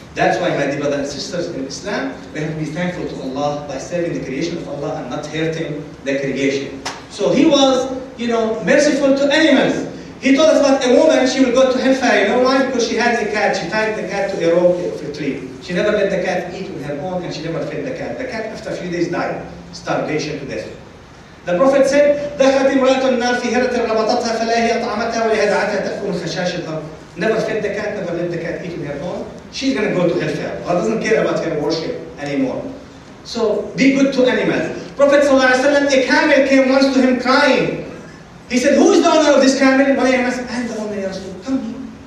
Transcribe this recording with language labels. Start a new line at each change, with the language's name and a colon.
English: That's why, my dear brothers and sisters in Islam, we have to be thankful to Allah by serving the creation of Allah and not hurting the creation. So He was, you know, merciful to animals. He told us about a woman, she will go to hellfire. You know why? Because she had a cat. She tied the cat to a rope of a tree. She never let the cat eat with her own, and she never fed the cat. The cat, after a few days, died. Starvation to death. The Prophet said,
Arabic: دخلت امرأة النار في هرة ربطتها فلا هي طعمتها ولا هي دعتها تأكل من خشاشتها.
English: never fed the cat, never let the cat eat on her own. She's going to go to hellfire. God doesn't care about her worship anymore. So be good to animals. Prophet ﷺ, a camel came once to him crying. He said, who is the owner of this camel? One of them said, I'm the owner, Ya Rasul. Come here.